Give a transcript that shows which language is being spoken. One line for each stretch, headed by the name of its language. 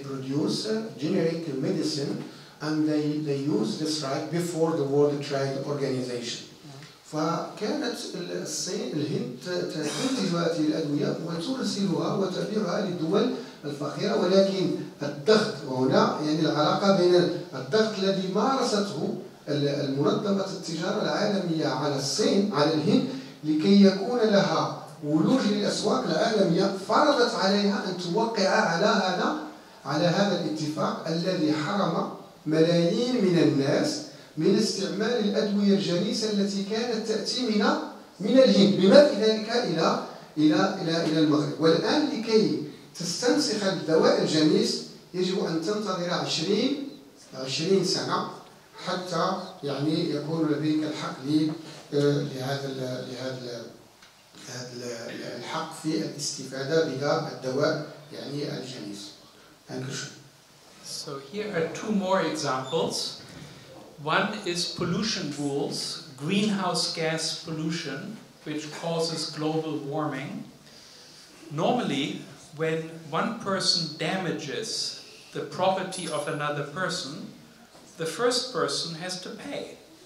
English: They produce generic medicine and they use this right before the World Trade Organization.
Arabic: فكانت الهند تنتج هذه الأدوية وترسلها وتبيعها للدول الفقيرة، ولكن الضغط هنا يعني العلاقة بين الضغط الذي مارسته المنظمة التجارة العالمية على الصين على الهند لكي يكون لها ولوج للأسواق العالمية، فرضت عليها أن توقع على هذا الاتفاق الذي حرم ملايين من الناس من استعمال الأدوية الجنيسة التي كانت تأتي من الهند بما في ذلك إلى المغرب. والآن لكي تستنسخ الدواء الجنيس يجب أن تنتظر 20 سنة حتى يعني يكون لديك الحق لهذا الحق في الاستفادة بهذا الدواء يعني الجنيس.
English: So here are two more examples. One is pollution rules, greenhouse gas pollution, which causes global warming. Normally, when one person damages the property of another person, the first person has to pay.